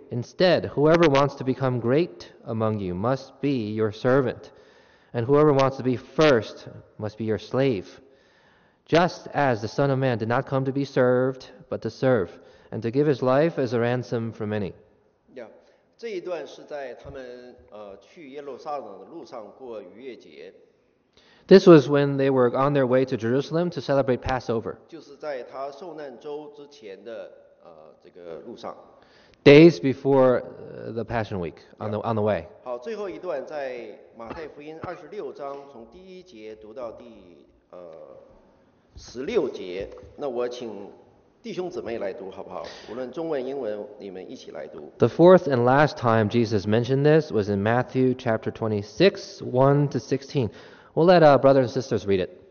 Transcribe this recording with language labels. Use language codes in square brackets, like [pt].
[en] Instead, whoever wants to become great among you must be your servant, and whoever wants to be first must be your slave. Just as the Son of Man did not come to be served, but to serve, and to give his life as a ransom for many. [zh] 这一段是在他们去耶路撒冷的路上过逾越节。 [en] This was when they were on their way to Jerusalem to celebrate Passover. [zh] 就是在他受难周之前的这个路上。 [en] Days before the Passion Week on the way. [zh] 好，最后一段在马太福音26，从第一节读到第16。那我请。弟兄姊妹来读好不好？无论中文、英文，你们一起来读。 [en] The fourth and last time Jesus mentioned this was in Matthew chapter 26:1-16. We'll let brothers and sisters read it.